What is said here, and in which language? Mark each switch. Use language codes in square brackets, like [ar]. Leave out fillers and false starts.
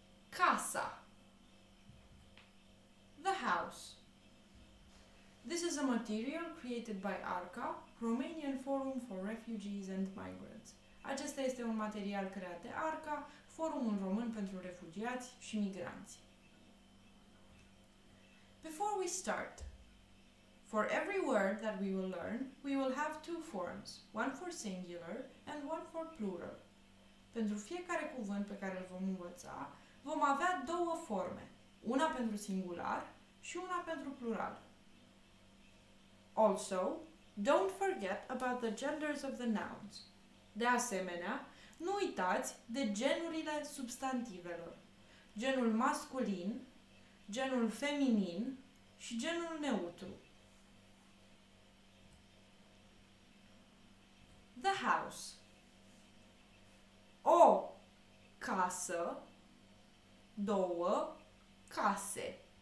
[ro] Casa. [en] The house. This is a material created by ARCA, Romanian Forum for Refugees and Migrants. [ro] Acesta este un material creat de ARCA, Forumul Român pentru Refugiați și Migranți. [en] Before we start, for every word that we will learn, we will have two forms, one for singular and one for plural. [ro] Pentru fiecare cuvânt pe care îl vom învăța, vom avea două forme, una pentru singular și una pentru plural. [en] Also, don't forget about the genders of the nouns. [ro] De asemenea, nu uitați de genurile substantivelor. Genul masculin, genul feminin și genul neutru. [en] The house. [ro] O casă, două case.